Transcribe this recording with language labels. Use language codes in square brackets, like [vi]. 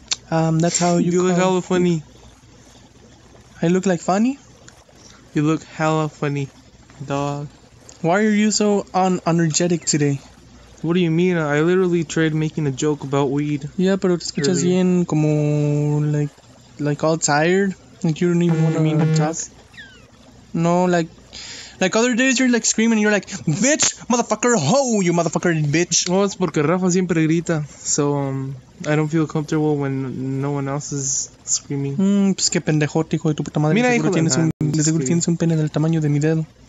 [en] That's how you look hella funny. I look like funny? You look hella funny, dog. Why are you so energetic today? What do you mean? I literally tried making a joke about weed. Yeah, [es] pero te escuchas bien como [en] like all tired. Like you don't even want to mean talk. No, like other days you're like screaming and you're like, bitch, motherfucker, ho, you motherfucker, bitch. Well, it's [es] porque Rafa siempre grita. [en] So, I don't feel comfortable when no one else is screaming. [es] Pues qué pendejote, hijo de tu puta madre. Mira, hijo de nada. De seguro tienes un pene del tamaño de mi dedo.